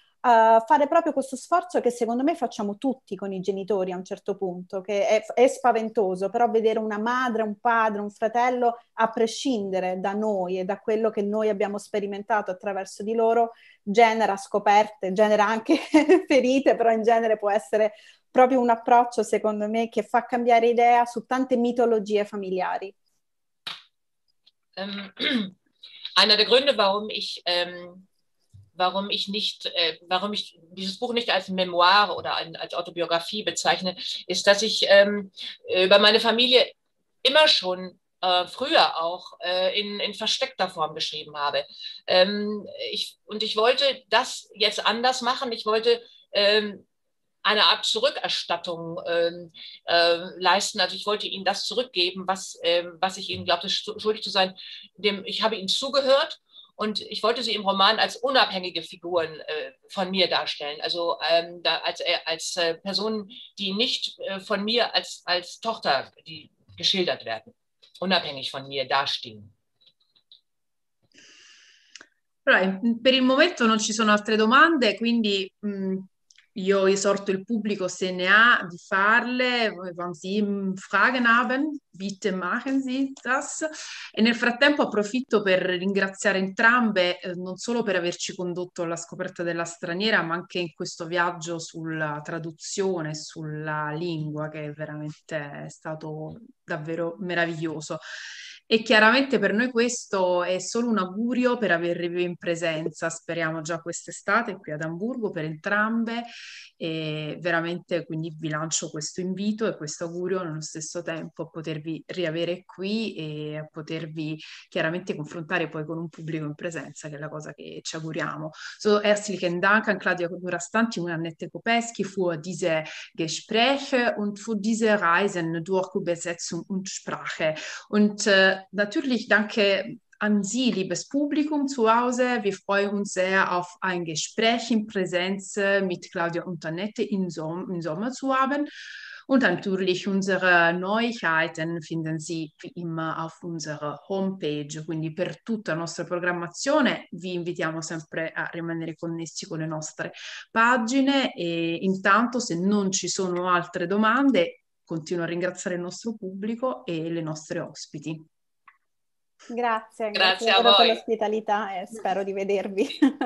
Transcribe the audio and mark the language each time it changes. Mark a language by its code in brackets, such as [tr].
[it] fare proprio questo sforzo che secondo me facciamo tutti con i genitori a un certo punto, che è spaventoso, però vedere una madre, un padre, un fratello, a prescindere da noi e da quello che noi abbiamo sperimentato attraverso di loro, genera scoperte, genera anche ferite, però in genere può essere proprio un approccio, secondo me, che fa cambiare idea su tante mitologie familiari. [de] Einer der Gründe, warum ich... warum ich nicht, warum ich dieses Buch nicht als Memoir oder als Autobiografie bezeichne, ist, dass ich über meine Familie immer schon früher auch in versteckter Form geschrieben habe. Ich wollte das jetzt anders machen. Ich wollte eine Art Zurückerstattung leisten. Also ich wollte ihnen das zurückgeben, was ich ihnen glaubte, schuldig zu sein. Ich habe ihnen zugehört. Und ich wollte sie im Roman als unabhängige Figuren von mir darstellen, also als Personen, die nicht von mir als Tochter, die geschildert werden, unabhängig von mir dastehen. [it] Per il momento non ci sono altre domande, quindi io esorto il pubblico, se ne ha, di farle. [de] Wenn Sie Fragen haben, bitte machen Sie das. [it] E nel frattempo approfitto per ringraziare entrambe, non solo per averci condotto alla scoperta della straniera, ma anche in questo viaggio sulla traduzione, sulla lingua, che è veramente stato davvero meraviglioso. E chiaramente per noi questo è solo un augurio per avervi in presenza, speriamo già quest'estate qui ad Amburgo per entrambe, e veramente quindi vi lancio questo invito e questo augurio nello stesso tempo a potervi riavere qui e a potervi chiaramente confrontare poi con un pubblico in presenza, che è la cosa che ci auguriamo. [de] So herzlichen Dank an Claudia Kodurastanti und Annette Kopeski für diese Gespräche und für diese Reisen durch Übersetzung und Sprache. Natürlich danke an Sie, liebes Publikum zu Hause. Wir freuen uns sehr auf ein Gespräch in Präsenz mit Claudia und Annette im Sommer zu haben. Und natürlich unsere Neuigkeiten finden Sie wie immer auf unserer Homepage. [it] Quindi per tutta la nostra programmazione vi invitiamo sempre a rimanere connessi con le nostre pagine. E intanto, se non ci sono altre domande, continuo a ringraziare il nostro pubblico e le nostre ospiti. Grazie a voi per l'ospitalità e spero di vedervi.